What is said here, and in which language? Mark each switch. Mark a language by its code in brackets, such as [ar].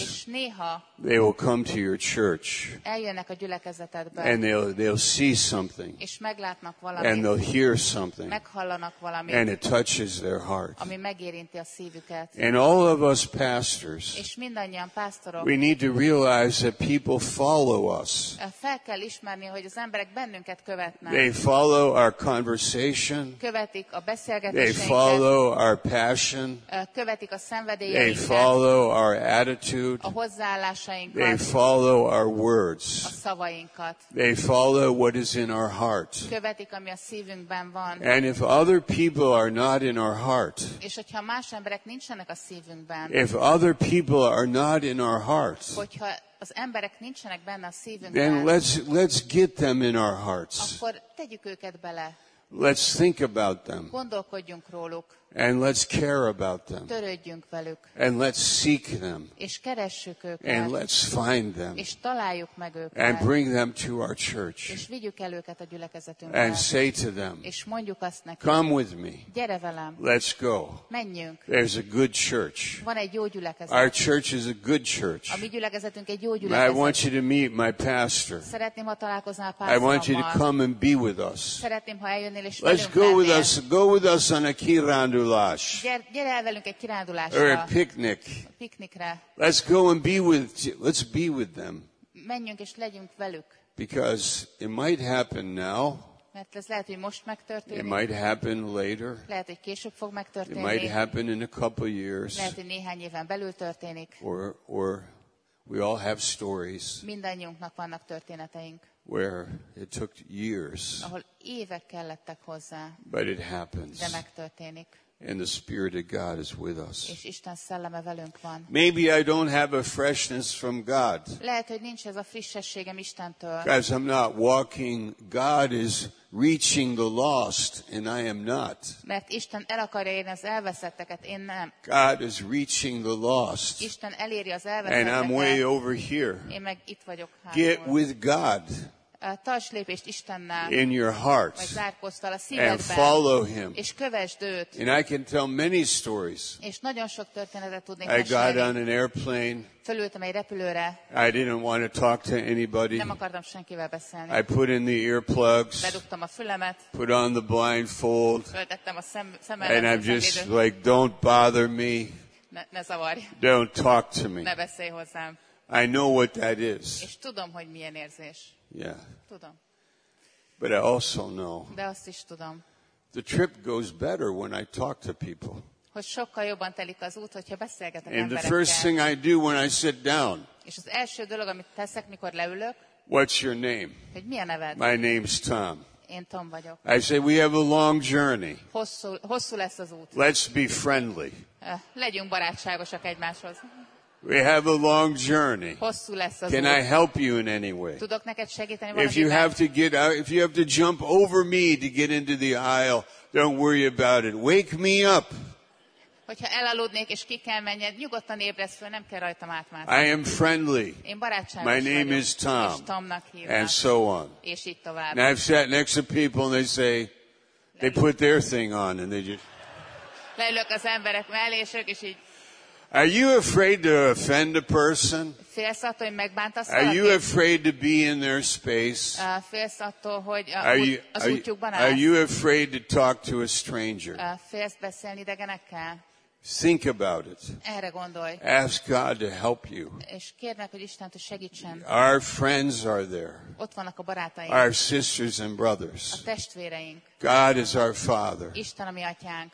[hu] És néha. [en] They will come to your church. [hu] Eljönnek a gyülekezetedbe. [en] And they'll see something. [hu] És meglátnak valamit. [en] And they'll hear something. [hu] Meghallanak valamit. [en] And it touches their heart. [hu] Ami megérinti a szívüket. [en] And all of us pastors. [hu] És mindannyian pásztorok. [en] We need to realize that people follow us. [hu] Fel kell ismerni, hogy az emberek bennünket követnek. [en] They follow our conversation. [hu] Követik a beszélgetéseinket. [en] They follow our passion. [hu] Követik a szenvedélyeinket. [en] They follow our attitude. [hu] A hozzáállásainkat. [en] They follow our words. [hu] A szavainkat. [en] They follow what is in our heart. [hu] Követik, ami a szívünkben van. [en] And if other people are not in our heart. [hu] És hogyha más emberek nincsenek a szívünkben. [en] If other people are not in our heart. [hu] Hogyha az emberek nincsenek benne a szívünkben. [en] Then let's get them in our hearts. [hu] Akkor tegyük őket bele. [en] Let's think about them. [hu] Gondolkodjunk róluk. [en] And let's care about them. [hu] Törődjünk velük. [en] And let's seek them. [hu] És keressük őket. [en] And let's find them. [hu] És találjuk meg őket. [en] And bring them to our church. [hu] És vigyük el őket a gyülekezetünkbe. [en] And say to them. [hu] És mondjuk azt nekik. [en] Come with me. [hu] Gyere velem. [en] Let's go. [hu] Menjünk. [en] There's a good church. [hu] Van egy jó gyülekezet. [en] Our church is a good church. [hu] A mi gyülekezetünk egy jó gyülekezet. [en] I want you to meet my pastor. [hu] Szeretném, ha találkoznál pásztorommal. [en] I want you to come and be with us. [hu] Szeretném, ha eljönnél és [en] let's go with us. Go with us on a kirándulás. [hu] Gyere el velünk egy kirándulásra. [en] Or a picnic. [hu] A piknikre. [en] Let's go and be with let's be with them. [hu] Menjünk és legyünk velük. [en] Because it might happen now. [hu] Mert ez lehet, hogy most megtörténik. [en] It might happen later. [hu] Lehet, hogy később fog megtörténni. [en] It might happen in a couple years. [hu] Lehet, hogy néhány éven belül történik. [en] Or we all have stories. [hu] Mindannyiunknak vannak történeteink. [en] Where it took years. [hu] Ahol évek kellettek hozzá. [en] But it happens. [hu] De megtörténik. [en] And the Spirit of God is with us. [hu] És Isten szelleme velünk van. [en] Maybe I don't have a freshness from God. [hu] Lehet, hogy nincs ez a frissességem Istentől. [en] Guys, I'm not walking. God is reaching the lost, and I am not. [hu] Mert Isten el akarja érni az elveszetteket, én nem. [en] God is reaching the lost. [hu] Isten eléri az elveszetteket. [en] And I'm way over here. [hu] Én meg itt vagyok. [en] Get with God. [hu] Tarts lépést Istennel. [en] In your heart. [hu] Vagy zárkóztál a szívedben. [en] And follow him. [hu] És kövesd őt. [en] And I can tell many stories. [hu] És nagyon sok történetet tudnék mesélni. [en] I got on an airplane. [hu] Fölültem egy repülőre. [en] I didn't want to talk to anybody. [hu] Nem akartam senkivel beszélni. [en] I put in the earplugs. [hu] Bedugtam a fülemet. [en] Put on the blindfold. [hu] Föltettem a szemellem. [en] And I'm just like, don't bother me. [hu] Ne zavarj. [en] Don't talk to me. [hu] Ne beszélj hozzám. [en] I know what that is. [hu] És tudom, hogy milyen érzés. [en] Yeah. [hu] Tudom. [en] But I also know. [hu] De azt is tudom. [en] The trip goes better when I talk to people. [hu] Hogy sokkal jobban telik az út, hogyha beszélgetek emberekkel. [en] And the first thing I do when I sit down. [hu] És az első dolog, amit teszek, mikor leülök. [en] What's your name? [hu] Hogy mi a neved? [en] My name's Tom. [hu] Én Tom vagyok. [en] I say we have a long journey. [hu] Hosszú lesz az út. [en] Let's be friendly. [hu] Legyünk barátságosak egymáshoz. [en] We have a long journey. [hu] Hosszú lesz az [en] Can [hu] út. [en] I help you in any way? [hu] Tudok neked segíteni valamiben? [en] If you have to get out, if you have to jump over me to get into the aisle, don't worry about it. Wake me up. [hu] Hogyha elaludnék és ki kell menned, nyugodtan ébresz föl, nem kell rajtam átmászni. [en] I am friendly. [hu] Én barátságos vagyok. [en] My name [hu] vagyok, [en] is Tom. [hu] És Tomnak hívnak. [en] And so on. [hu] És így tovább. [en] And I've sat next to people and they say, they put their thing on and they just. [hu] Leülök az emberek mellé és ők is így. [en] Are you afraid to offend a person? [hu] Félsz attól, hogy megbántasz valakit? [en] Are you afraid to be in their space? [hu] Félsz attól, hogy az útjukban állsz? [en] Are you afraid to talk to a stranger? [hu] Félsz beszélni idegenekkel? [en] Think about it. [hu] Erre gondolj. [en] Ask God to help you. [hu] És kérd meg, hogy Isten segítsen. [en] Our friends are there. [hu] Ott vannak a barátaink. [en] Our sisters and brothers. [hu] A testvéreink. [en] God is our Father. [hu] Isten a mi atyánk.